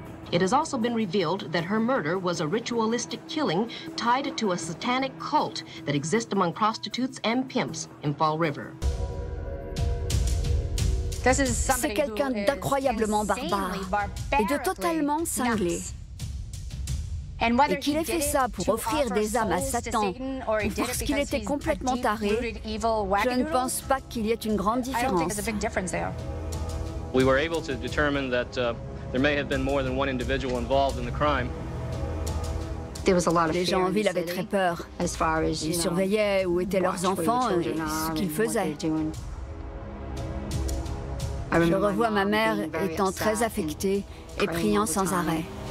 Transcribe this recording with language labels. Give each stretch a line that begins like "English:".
English: It has also been revealed that her murder was a ritualistic killing tied to a satanic cult that exists among prostitutes and pimps in Fall River.
French: C'est quelqu'un d'incroyablement barbare et de totalement cinglé. Et qu'il ait fait ça pour offrir des âmes à Satan ou parce qu'il était complètement taré, je ne pense pas qu'il y ait une grande différence.
English: We were able to determine that there may have been more than one individual involved in the crime. There was a lot of fear.
French: Les gens en ville avaient très peur.
English: As far as
French: ils surveillaient où étaient leurs enfants et ce qu'ils faisaient. Je revois ma mère étant très affectée et priant sans arrêt.